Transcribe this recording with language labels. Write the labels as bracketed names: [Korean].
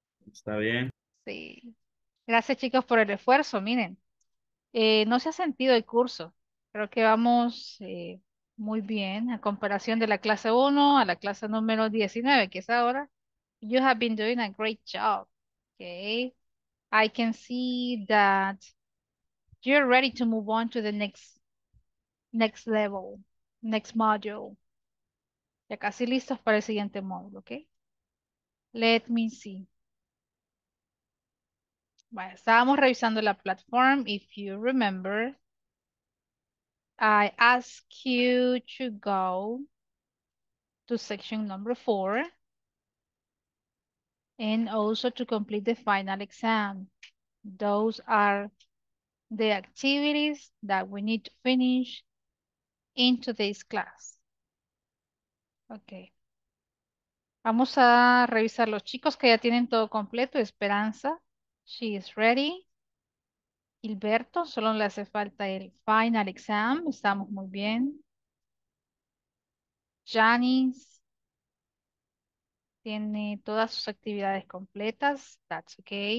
[Spanish] Está bien. Sí. Gracias, chicos, por el esfuerzo. Miren, no se ha sentido el curso. Creo que vamos muy bien a comparación de la clase 1 a la clase número 19, que es ahora. [English] You have been doing a great job. Okay. I can see that you're ready to move on to the next level, next module. [Spanish] Ya casi listos para el siguiente módulo, okay? [English] Let me see. [Spanish] Bueno, estábamos revisando la platform. [English] If you remember, I asked you to go to section number 4. And also to complete the final exam. Those are the activities that we need to finish in today's class. Okay. [Spanish] Vamos a revisar los chicos que ya tienen todo completo. Esperanza, [English] she is ready. [Spanish] Gilberto, solo le hace falta el final exam. Estamos muy bien. Janice tiene todas sus actividades completas. [English] That's ok.